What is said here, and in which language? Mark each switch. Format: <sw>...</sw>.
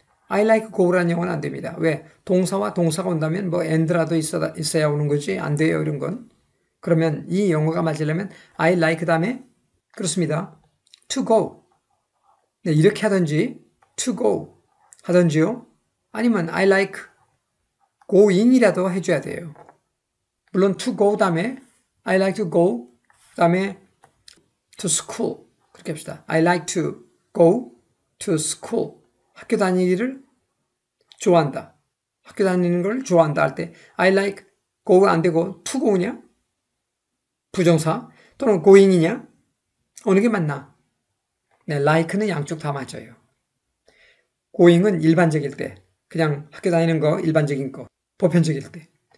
<en>I like go</en> <ko>라는 경우는 안 됩니다. 왜? 동사와 동사가 온다면 뭐 and라도 있어야 오는 거지 안 돼요 이런 건. 그러면 이 영어가 맞으려면</ko> <en>I like</en> <ko>다음에 그렇습니다.</ko> <en>To go.</en> <ko>네, 이렇게 하든지</ko> <en>to go</en> <ko>하든지요. 아니면</ko> <en>I like going</en> <ko>이라도 해줘야 돼요. 물론 to go 다음에</ko> <en>I like to go</en> <ko>다음에</ko> <en>to school</en> <ko>그렇게 합시다.</ko> <en>I like to go to school.</en> <ko>학교 다니기를 좋아한다. 학교 다니는 걸 좋아한다 할때</ko> <en>I like go</en> <ko>가 안 되고</ko> <en>to go</en> <ko>냐? 부정사 또는 going이냐? 어느 게 맞나? 네, like는 양쪽 다 맞아요. going은 일반적일 때, 그냥 학교 다니는 거 일반적인 거, 보편적일 때.</ko>